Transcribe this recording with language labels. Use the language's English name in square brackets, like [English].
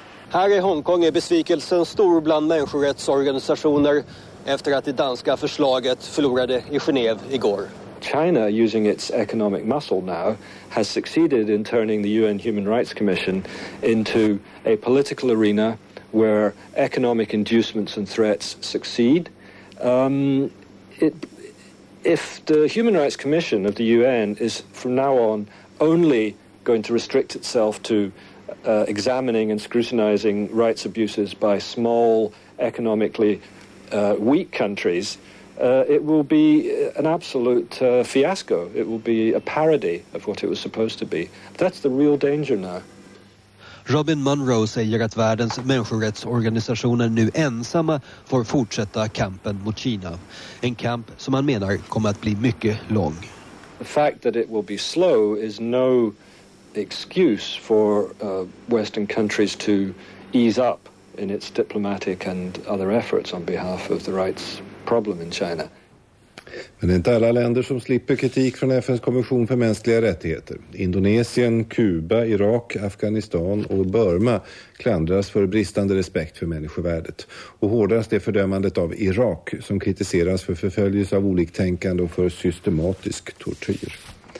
[Swedish] Här i Hongkong är besvikelsen stor bland människorättsorganisationer efter att det danska förslaget förlorade i Genève igår. [English] China, using its economic muscle now, has succeeded in turning the UN Human Rights Commission into a political arena where economic inducements and threats succeed. If the Human Rights Commission of the UN is from now on only going to restrict itself to examining and scrutinizing rights abuses by small, economically weak countries, it will be an absolute fiasco. It will be a parody of what it was supposed to be. That's the real danger now. [Swedish] Robin Munro säger att världens människorättsorganisationer nu ensamma får fortsätta kampen mot Kina. En kamp som han menar kommer att bli mycket lång. [English] The fact that it will be slow is no excuse for Western countries to ease up in its diplomatic and other efforts on behalf of the rights problem in China. [Swedish] Men det är inte alla länder som slipper kritik från FNs kommission för mänskliga rättigheter. Indonesien, Kuba, Irak, Afghanistan och Burma klandras för bristande respekt för människovärdet. Och hårdast är fördömandet av Irak som kritiseras för förföljelse av oliktänkande och för systematisk tortyr.